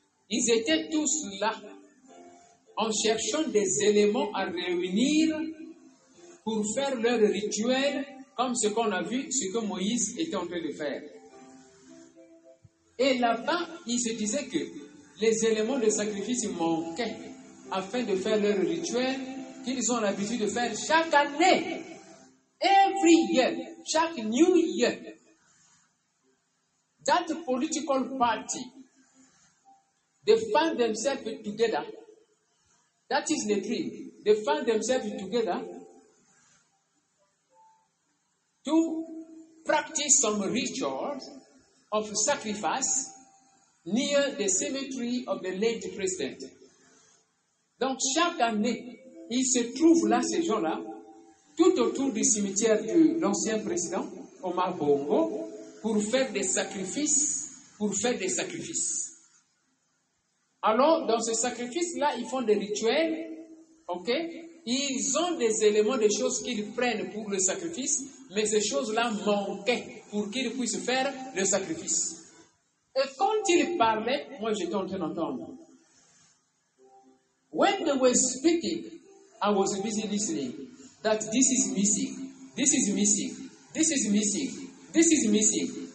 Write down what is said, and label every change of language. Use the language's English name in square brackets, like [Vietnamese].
[French] Ils étaient tous là en cherchant des éléments à réunir pour faire leur rituel, comme ce qu'on a vu, ce que Moïse était en train de faire. Et là-bas, ils se disaient que les éléments de sacrifice manquaient afin de faire leur rituel qu'ils ont l'habitude de faire chaque année. [English] Every year, [French] chaque [English] new year, that political party, they find themselves together. That is the dream. They find themselves together to practice some rituals of sacrifice near the cemetery of the late president. [French] Donc chaque année, ils se trouvent là, ces gens-là, tout autour du cimetière de l'ancien président, Omar Bongo, pour faire des sacrifices, pour faire des sacrifices. Alors, dans ce sacrifice-là, ils font des rituels, ok? Ils ont des éléments, des choses qu'ils prennent pour le sacrifice, mais ces choses-là manquaient pour qu'ils puissent faire le sacrifice. Et quand ils parlaient, moi j'étais en train d'entendre. [English] When they were speaking, I was busy listening. That this is missing, this is missing, this is missing, this is missing.